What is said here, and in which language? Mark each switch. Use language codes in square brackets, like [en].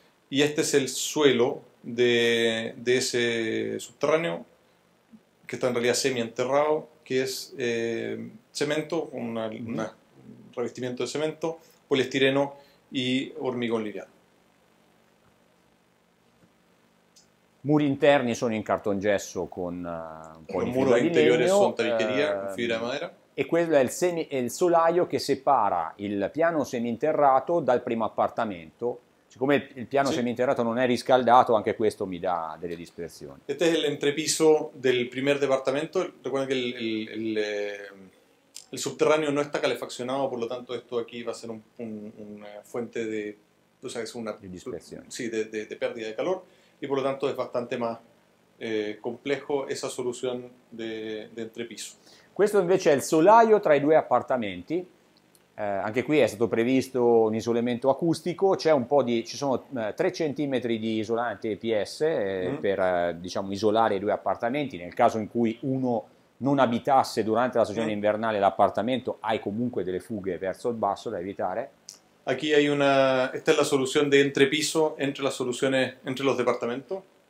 [es] Y este es el suelo de ese subterráneo, que está en realidad semienterrado, que es cemento, un revestimiento de cemento, poliestireno y hormigón liviano. [it] Muri interni sono in cartongesso con un po' di di legno. Il muro interiore è sontavicheria, con fibra di madera. E quello è il solaio che separa il piano seminterrato dal primo appartamento. Siccome il piano sì. seminterrato non è riscaldato, anche questo mi dà delle dispersioni. Questo è l'entrepiso del primo appartamento. Ricorda che il subterraneo non è calefaccionato, per lo tanto questo qui va a essere una fuente di... Tu sai, una di dispersione. Sì, di perdita di calore. [es] Y por lo tanto es bastante más complejo esa solución de entrepiso. [it] Questo invece è il solaio tra i due appartamenti. Anche qui è stato previsto un isolamento acustico, c'è un po' di, ci sono 3 centimetri di isolante EPS per diciamo, isolare i due appartamenti. Nel caso in cui uno non abitasse durante la stagione invernale l'appartamento, hai comunque delle fughe verso il basso da evitare. [es] Aquí hay una, esta es la solución de entrepiso entre las soluciones entre los departamentos.